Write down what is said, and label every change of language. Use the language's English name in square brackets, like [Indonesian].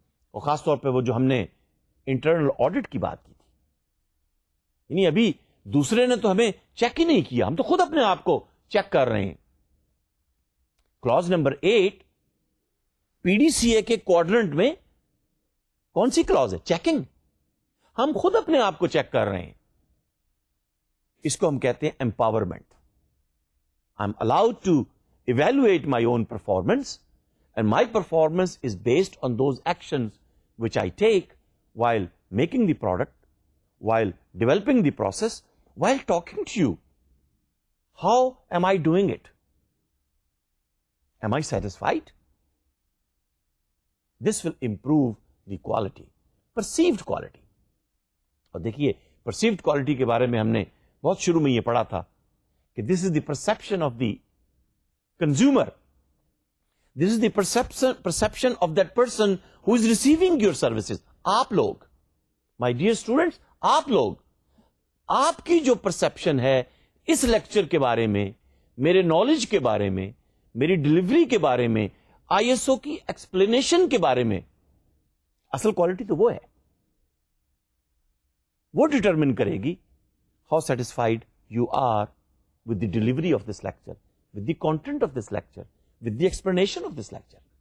[Urdu] اور خاص طور پہ وہ جو ہم نے انٹرنل آڈٹ کی بات کی تھی, یعنی ابھی دوسرے نے تو ہمیں چیک ہی نہیں کیا, ہم تو خود اپنے آپ کو چیک کر رہے ہیں. Claus number 8, P D C اے کے کوارڈرنٹ میں کون سی کلاز ہے؟ چیکنگ. ہم خود اپنے آپ کو چیک کر رہے ہیں. اس کو ہم کہتے ہیں empowerment. [English] I'm allowed to evaluate my own performance and my performance is based on those actions which I take while making the product, while developing the process, while talking to you. How am I doing it? Am I satisfied? This will improve the quality, perceived quality. اور دیکھیے perceived quality کے بارے میں ہم نے بہت شروع میں یہ پڑھا تھا کہ this is the perception of the consumer. This is the perception of that person who is receiving your services. [Urdu] Aap log. [English] My dear students, [Urdu] aap log. آپ کی جو پرسپشن ہے اس لیکچر کے بارے میں, میرے نالج کے بارے میں, میری ڈلیوری کے بارے میں, آئی ایس او کی ایکسپلینیشن کے بارے میں, اصل کوالٹی تو وہ ہے, وہ ڈیٹرمن کرے گی [English] How satisfied you are with the delivery of this lecture, with the content of this lecture, with the explanation of this lecture.